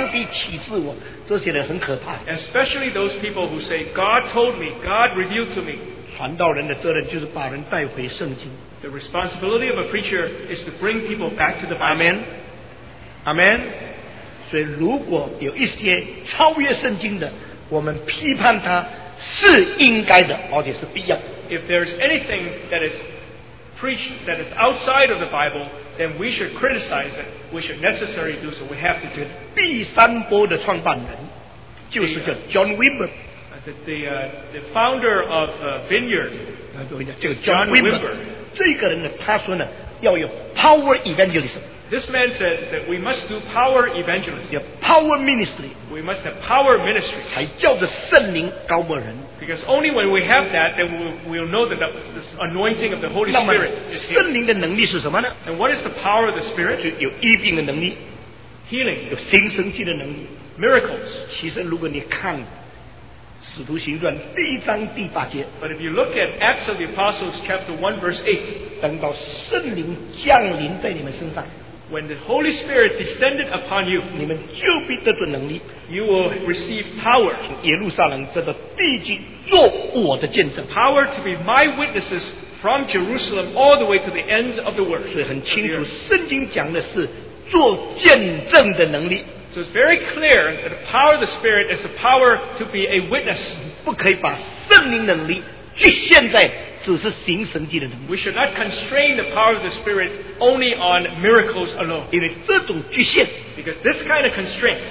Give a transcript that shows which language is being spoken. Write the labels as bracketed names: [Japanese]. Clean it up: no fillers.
[Chinese] 特别是那些说上帝对我说，上帝启示我，这些人很可怕。 [English] Especially those people who say, God told me, God revealed to me. [Chinese] 传道人的责任就是把人带回圣经。 [English] The responsibility of a preacher is to bring people back to the Bible. Amen. Amen. [Chinese] 所以如果有一些超越圣经的， 我们批判它是应该的，而且是必要的。If [English] there's anything that is preached that is outside of the Bible, then we should criticize it. We should necessarily do so. We have to do it. [Chinese] 第三波的创办人就是叫 John Wimber. [English] The founder of Vineyard. [Chinese] 这个 John Wimber. 这个人呢，他说呢，要有 power evangelism. [English] This man said that we must do power evangelism. Yeah, power ministry. We must have power ministry. Because only when we have that, then we'll know that this anointing of the Holy Spirit is here. [Chinese] 圣灵的能力是什么呢? [English] And what is the power of the Spirit? [Chinese] 有医病的能力, [English] healing. [Chinese] 有新生气的能力, [English] miracles. [Chinese] 其实如果你看, 使徒行传第一章第八节, [English] but if you look at Acts of the Apostles, chapter 1, verse 8, [Chinese] 等到圣灵降临在你们身上, [English] when the Holy Spirit descended upon you, you will receive power. [Chinese] 从耶路撒冷这个地基做我的见证, [English] power to be my witnesses from Jerusalem all the way to the ends of the world. [Chinese] 所以很清楚, 圣经讲的是做见证的能力。 [English] So it's very clear that the power of the Spirit is the power to be a witness. [Chinese] 不可以把圣灵能力 [English] We should not constrain the power of the Spirit only on miracles alone. Because this kind of constraint